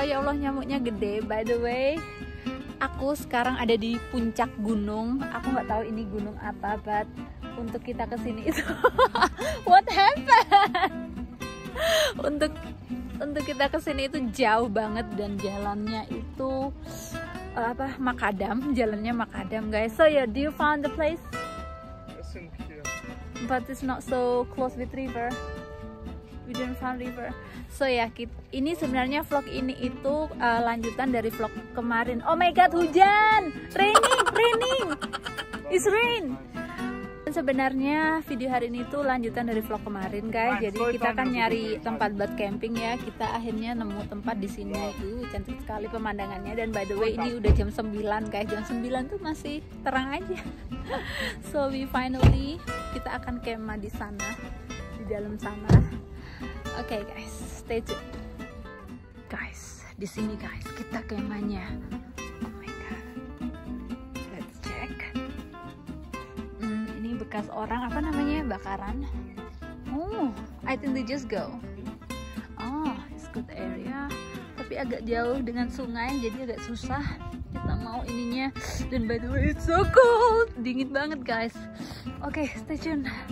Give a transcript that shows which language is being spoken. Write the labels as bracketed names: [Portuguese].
[Indonesian] Ya Allah, nyamuknya gede. By the way, aku sekarang ada di puncak gunung. Aku gak tahu ini gunung apa, but untuk kita kesini itu [English] what happened? [Indonesian] Untuk kita kesini itu jauh banget dan jalannya itu apa, makadam. Jalannya makadam, guys. [English] So yeah, do you found the place? It's in here. But it's not so close with river. We didn't find river. [Indonesian] So ya, ini sebenarnya vlog ini itu lanjutan dari vlog kemarin. [English] Oh my god, hujan! Raining! It's rain! [Indonesian] Dan sebenarnya video hari ini itu lanjutan dari vlog kemarin, guys. Jadi kita kan nyari tempat buat camping ya. Kita akhirnya nemu tempat di sini. Cantik sekali pemandangannya. Dan by the way, ini udah jam 9, guys. Jam 9 tuh masih terang aja. [English] So we finally, [Indonesian] kita akan kemah di sana. Di dalam sana. [English] Okay guys, stay tuned. Guys, [Indonesian] di sini guys, kita kemahnya. [English] Oh my god. Let's check. [Indonesian] Ini bekas orang apa namanya? Bakaran. [English] Oh, I think they just go. Oh, it's good area. [Indonesian] Tapi agak jauh dengan sungai, jadi agak susah kita mau ininya. [English] Dan by the way, it's so cold. [Indonesian] Dingin banget, guys. [English] Okay, stay tuned.